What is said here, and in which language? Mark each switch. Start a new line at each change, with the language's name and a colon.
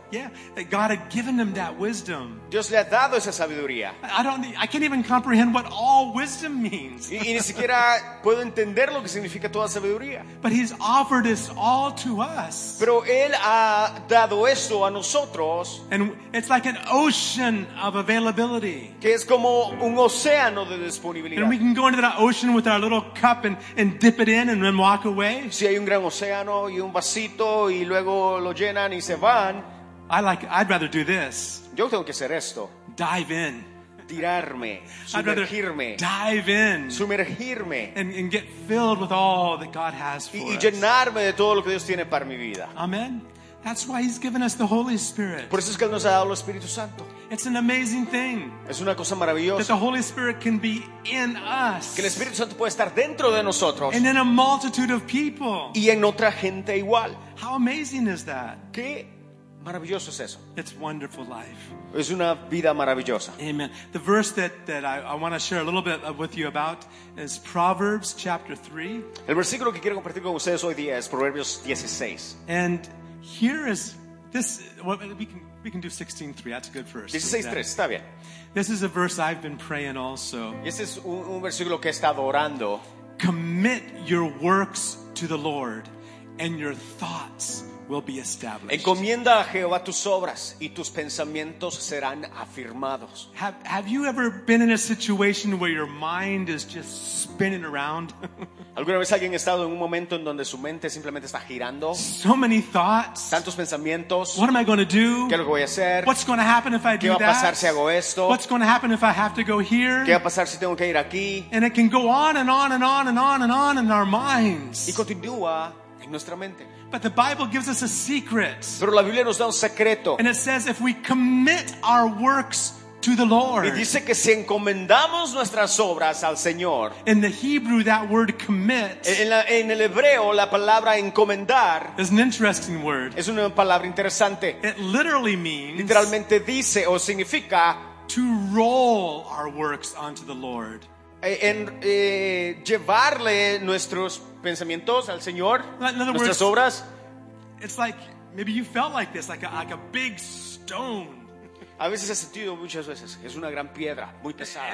English: Yeah, that God had given him that wisdom.
Spanish: Dios le ha dado esa sabiduría.
English: I can't even comprehend what all wisdom means.
Spanish: Y ni siquiera puedo entender lo que significa toda sabiduría.
English: But he's offered this all to us.
Spanish: Pero él ha dado esto a nosotros.
English: And it's like an ocean of availability.
Spanish: Que es como un océano de disponibilidad.
English: And we can go into that ocean with our little cup and dip it in and then walk away.
Spanish: Si hay un gran océano y un vasito y luego lo llenan y se van.
English: I'd rather do this.
Spanish: Yo tengo que hacer esto.
English: Dive in.
Spanish: Tirarme. Sumergirme.
English: Dive in.
Spanish: Sumergirme.
English: And get filled with all that God has for
Spanish: us. Y llenarme de todo lo que Dios tiene para mi vida.
English: Amen. That's why he's given us the Holy Spirit.
Spanish: Por eso es que él nos ha dado el Espíritu Santo.
English: It's an amazing thing.
Spanish: Es una cosa maravillosa.
English: That the Holy Spirit can be in us.
Spanish: Que el Espíritu Santo puede estar dentro de nosotros.
English: And in a multitude of people.
Spanish: Y en otra gente igual.
English: How amazing is that?
Spanish: Qué maravilloso es eso.
English: It's wonderful life.
Spanish: Es una vida maravillosa.
English: Amen. The verse that I want to share a little bit with you about is Proverbs chapter 3.
Spanish: El versículo que quiero compartir con ustedes hoy día es Proverbios 16.
English: And here is this. Well, we can do 16:3. That's a good verse.
Spanish: 16:3, está bien.
English: This is a verse I've been praying also.
Spanish: Este es un versículo que he estado orando.
English: Commit your works to the Lord, and your thoughts will be established.
Spanish: Encomienda a Jehová tus obras y tus pensamientos serán afirmados.
English: Have you ever been in a situation where your mind is just spinning around?
Spanish: ¿Alguna vez alguien ha estado en un momento en donde su mente simplemente está girando?
English: So many thoughts.
Spanish: Tantos pensamientos.
English: What am I going to do?
Spanish: ¿Qué es lo que voy a hacer?
English: What's going to happen if I do that?
Spanish: ¿Qué va a pasar si hago esto?
English: What's going to happen if I have to go here?
Spanish: ¿Qué va a pasar si tengo que ir aquí?
English: And it can go on and on and on and on and on in our minds.
Spanish: Y continúa en nuestra mente.
English: But the Bible gives us a secret.
Spanish: Pero la Biblia nos da un secreto.
English: And it says if we commit our works to the Lord.
Spanish: Y dice que si encomendamos nuestras obras al Señor.
English: In the Hebrew, that word commit.
Spanish: En el hebreo, la palabra encomendar.
English: Is an interesting word.
Spanish: Es una palabra interesante.
English: It literally means.
Spanish: Literalmente dice o significa.
English: To roll our works onto the Lord.
Spanish: Llevarle nuestros pensamientos al Señor,
English: words,
Spanish: nuestras obras.
English: It's like maybe you felt like this, like a big stone.
Spanish: A veces he sentido muchas veces es una gran piedra, muy pesada.